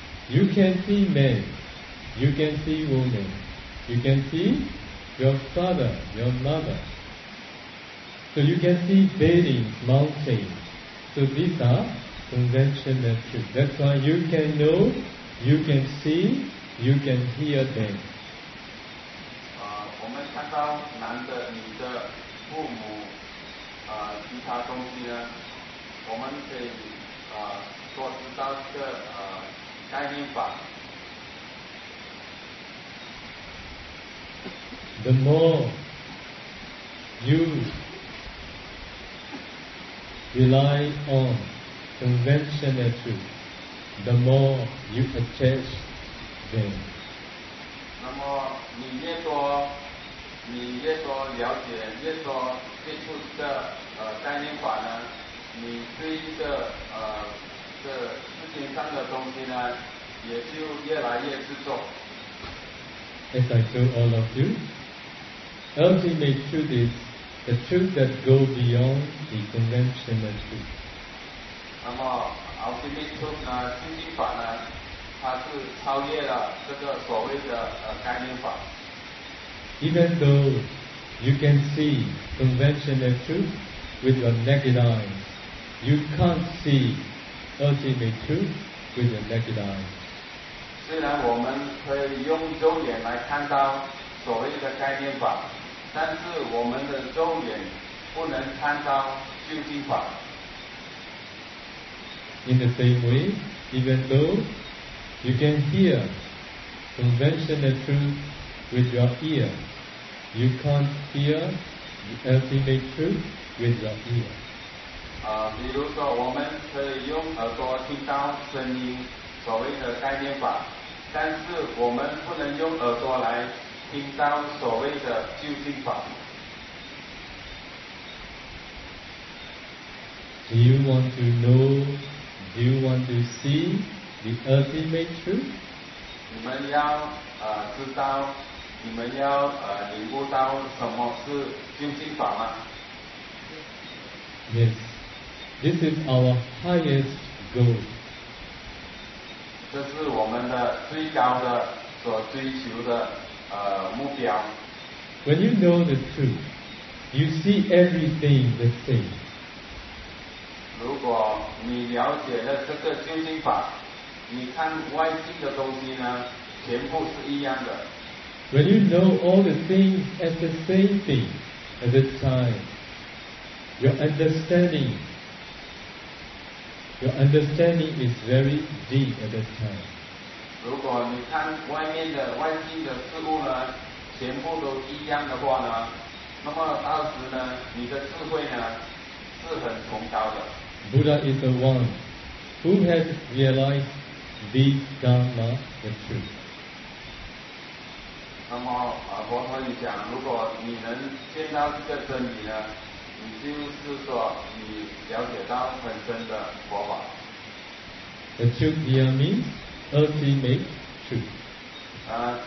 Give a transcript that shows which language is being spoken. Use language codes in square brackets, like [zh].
[en] You can see men, you can see women, you can see your father, your mother. So you can see buildings, mountains. So these are conventional truth. That's why you can know, you can see, you can hear them. [zh] 我们看到男的、女的、父母、其他东西呢，我们可以说知道这个概念法。 [en] The more you rely on conventional truth, the more you attach them. [zh] 那么你越多了解，越多接触这概念法呢，你对一个这事情上的东西呢，也就越来越 [en] 执着。As I told all of you, ultimate truth is the truth that goes beyond the conventional truth. [zh] 那么 [en] ultimate truth [zh] 呢，究竟法呢，它是超越了这个所谓的概念法。 [en] Even though you can see conventional truth with your naked eyes, you can't see. Ultimate truth with the naked eye. [zh] 虽然我们可以用肉眼来看到所谓的概念法，但是我们的重点不能参照究竟法。 [en] In the same way, even though you can hear conventional truth with your ear, you can't hear the ultimate truth with your ear. [zh] 比如说我们可以用耳朵听到声音，所谓的概念法，但是我们不能用耳朵来听到所谓的究竟法。 [en] Do you want to know? Do you want to see the ultimate truth? [zh] 你们要知道，你们要领悟到什么是究竟法吗？ [en] Yes, this is our highest goal. [zh] 这是我们的最高的所追求的目标。 [en] When you know the truth, you see everything the same. [zh] 如果你了解了这个究竟法，你看外境的东西呢，全部是一样的。 [en] When you know all the things as the same thing at the time, your understanding is very deep at the time. [zh] 如果你看外面的外境的事物呢，全部都一样的话呢，那么到时呢，你的智慧呢，是很崇高的。 [en] Buddha is the one who has realized the Dharma, the truth. [zh] 那么佛陀你讲，如果你能见到这个真理呢，你就是说你了解到本真的佛法。 [en] The truth here means ultimate truth.